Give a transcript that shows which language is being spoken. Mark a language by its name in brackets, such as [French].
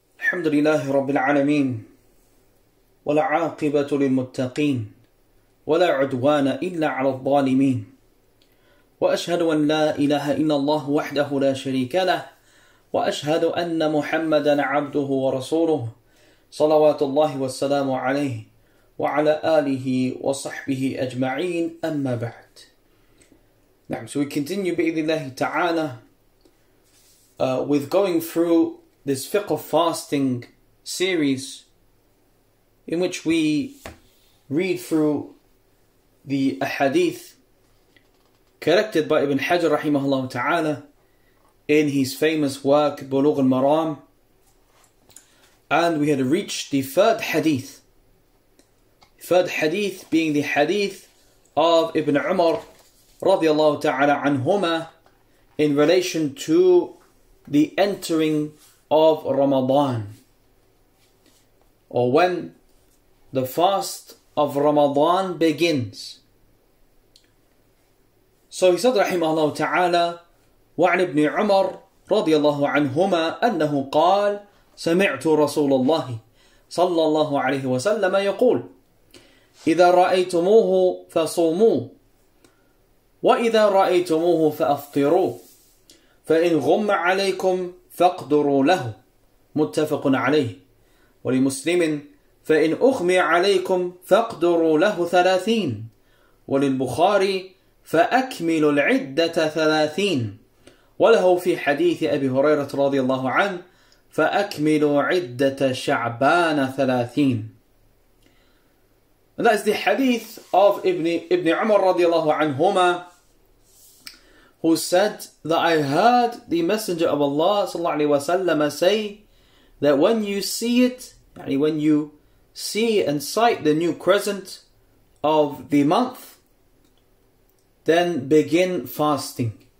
[Arabic] الحمد لله رب العالمين ولا عاقبة للمتقين ولا عدوان إلا على الظالمين وأشهد أن لا إله إلا الله وحده لا شريك له وأشهد أن محمدا عبده ورسوله صلوات الله والسلام عليه وعلى آله وصحبه أجمعين أما بعد. نعم. [English] So we continue [Arabic] بإذن الله تعالى [English] with going through this fiqh of fasting series, in which we read through the ahadith collected by Ibn Hajar rahimahullah ta'ala in his famous work Bulugh al-Maram. And we had reached the third hadith being the hadith of Ibn Umar radiyallahu ta'ala anhuma in relation to the entering of Ramadan, or when the fast of Ramadan begins. So he said [Arabic] rahimahullah ta'ala, وعن ابن عمر رضي الله عنهما أنه قال سمعت رسول الله صلى الله عليه وسلم يقول إذا رأيتموه فصوموه وإذا رأيتموه فأفطروه فإن غم عليكم فاقدروا له. متفق عليه. ولمسلم فإن أغمي عليكم فاقدروا له 30 وللبخاري فأكمل العدة 30 وله في حديث أبي هريرة رضي الله عنه فأكمل عدة شعبان 30. [English] And that is the hadith of Ibn Umar [Arabic] رضي الله عنهما, [English] who said that I heard the Messenger of Allah sallallahu alaihi wasallam say that when you see it, when you see and sight the new crescent of the month, then begin fasting.